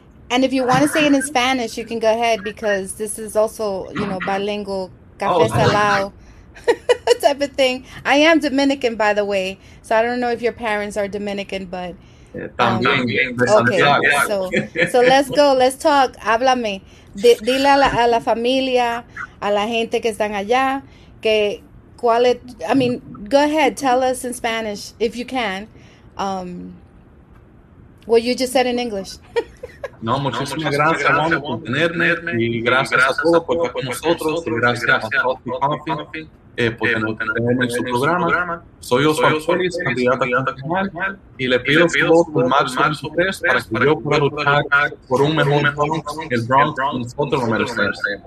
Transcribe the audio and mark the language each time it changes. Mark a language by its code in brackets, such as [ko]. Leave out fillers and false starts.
[en] And if you want to say it in Spanish, you can go ahead, because this is also, you know, bilingual. Café Salao. Type of thing. I am Dominican, by the way, so I don't know if your parents are Dominican, but okay. So let's go. Let's talk. [es] Háblame. Dile a la familia, a la gente que están allá, que cuál es, [en] I mean, go ahead. Tell us in Spanish if you can. What you just said in English. [es] No, muchísimas gracias, mamá, por tenerme y gracias a todos por estar con nosotros y gracias a Coffee Coffee. Por tenerme en su programa. Soy Oswald Feliz, candidato a comunal, y le pido su voto en marzo 3 para que yo pueda luchar por un mejor Bronx, el Bronx que nosotros lo merecemos.